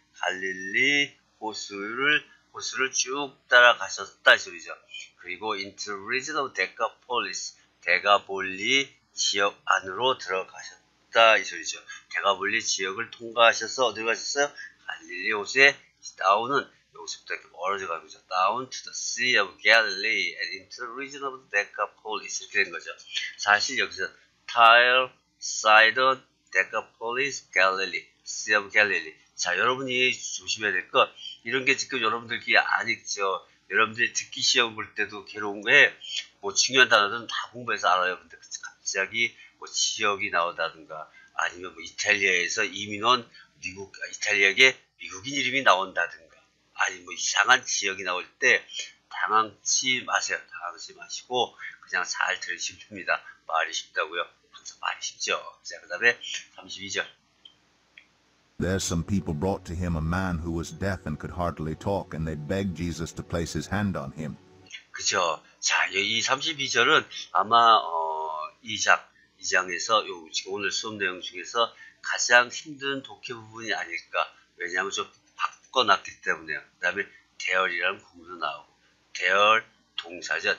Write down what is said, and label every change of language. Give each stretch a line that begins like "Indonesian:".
Korean: 갈릴리 호수를 쭉 따라가셨다 이 소리죠. 그리고
English: into region of Decapolis,
Korean: 대가볼리 지역 안으로 들어가셨다 이 소리죠. 대가볼리 지역을 통과하셔서 어디로 가셨어요? 갈릴리 호수에 down은 여기서부터 이렇게 멀어져 가고 있죠.
English: Down to the Sea of Galilee and into the region of the Decapolis.
Korean: 이렇게 된 거죠. 사실 여기서 Tyre, Sidon, Decapolis, Galilee, Sea of Galilee. 자, 여러분이 조심해야 될 것. 이런 게 지금 여러분들 귀에 안 익죠. 여러분들이 듣기 시험 볼 때도 괴로운 게, 뭐 중요한 단어들은 다 공부해서 알아요. 근데 갑자기 뭐 지역이 나온다든가, 아니면 뭐 이탈리아에서 이민원, 미국, 이탈리아에게 미국인 이름이 나온다든가, 아니 뭐 이상한 지역이 나올 때 당황치 마세요. 당황치 마시고 그냥 잘 들으시면 됩니다. 말이 쉽다고요? 항상 말이 쉽죠. 자, 그 다음에 32절.
English: There some people brought to him a man who was deaf and could hardly talk, and they begged Jesus to place his hand on him.
Korean: 그죠? 자, 이 32절은 아마 2장에서 요 지금 오늘 수업 내용 중에서 가장 힘든 독해 부분이 아닐까. 왜냐하면 좀 바꿔놨기 때문에요. 그 다음에 대열이라는 구문도 나오고, 대열 동사죠.